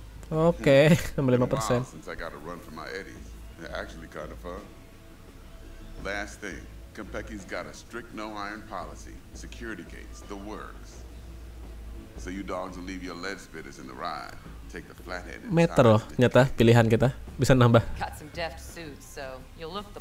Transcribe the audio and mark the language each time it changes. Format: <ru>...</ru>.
<en>Okay, 5%. It's been a while since I got a run for my Eddies. They're actually kind of fun. Last thing, Compecky's got a strict no iron policy, security gates, the works. So you dogs will leave your lead spitters in the ride. Take the flathead.</en> <id>Meter loh, ternyata pilihan kita bisa nambah.</id> <en>Got some deft suits, so you'll look the</en>